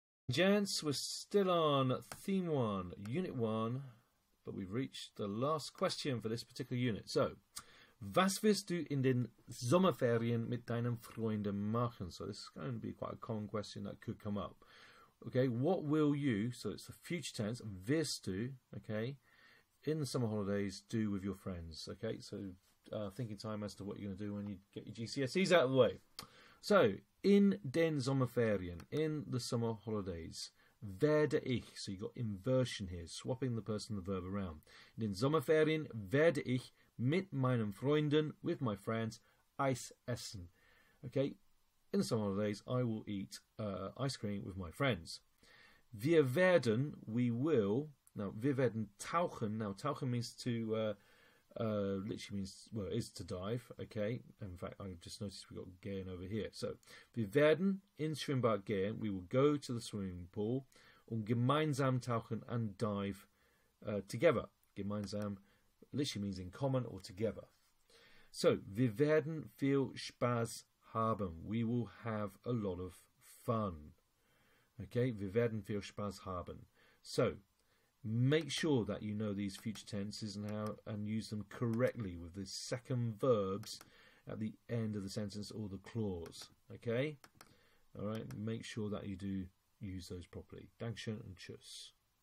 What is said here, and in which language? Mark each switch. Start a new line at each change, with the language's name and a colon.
English: Gents, we're still on theme one, unit one, but we've reached the last question for this particular unit.
German: So, was wirst du in den Sommerferien mit deinen Freunden machen?
English: So, this is going to be quite a common question that could come up. Okay, what will you, so it's the future tense,
German: wirst du,
English: okay, in the summer holidays do with your friends? Okay, so thinking time as to what you're going to do when you get your GCSEs out of the way. So,
German: in den Sommerferien,
English: in the summer holidays,
German: werde ich,
English: so you've got inversion here, swapping the person and the verb around.
German: In den Sommerferien werde ich mit meinen Freunden,
English: with my friends,
German: Eis essen.
English: Okay, in the summer holidays, I will eat ice cream with my friends.
German: Wir werden,
English: we will, now
German: wir werden tauchen,
English: now tauchen means to, literally means, well, it is to dive, okay? In fact, I just noticed we've got gehen over here. So,
German: wir werden in Schwimmbad gehen,
English: we will go to the swimming pool,
German: und gemeinsam tauchen
English: and dive together. Gemeinsam literally means in common or together.
German: So, wir werden viel Spaß haben.
English: We will have a lot of fun. Okay,
German: wir werden viel Spaß haben.
English: So, make sure that you know these future tenses and how and use them correctly with the second verbs at the end of the sentence or the clause. Okay? Alright, make sure that you do use those properly.
German: Dankeschön
English: and
German: tschüss.